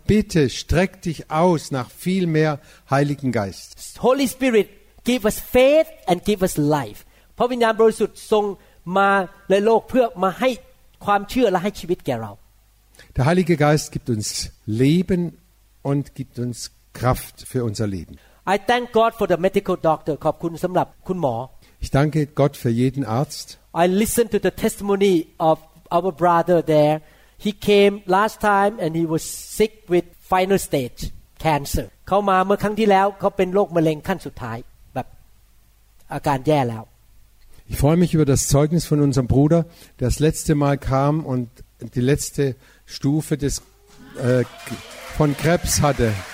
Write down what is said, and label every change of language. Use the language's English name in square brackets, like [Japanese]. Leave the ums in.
[German] bitte, streck dich aus nach viel mehr Heiligen Geist. [English] Holy Spirit, give us faith and give us life. [Thai] ราะวิญญาณบริสุทธิ์ ทรงมาในโลกเพื่อมาให้ความเชื่อและให้ชีวิตแก่เรา [German] Der Heilige Geist gibt uns Leben und gibt uns Kraft für unser Leben. [English] I thank God for the medical doctor. [Thai] ขอบคุณสำหรับคุณหมอ [German] Ich danke Gott für jeden Arzt. [English] I listen to the testimony of our brother there. He came last time and he was sick with final stage cancer. [Thai] เขามาเมื่อครั้งที่แล้วเขาเป็นโรคมะเร็งขั้นสุดท้ายแบบอาการแย่แล้ว [German] Ich freue mich über das Zeugnis von unserem Bruder, der das letzte Mal kam und die letzte Stufe des, äh, von Krebs hatte.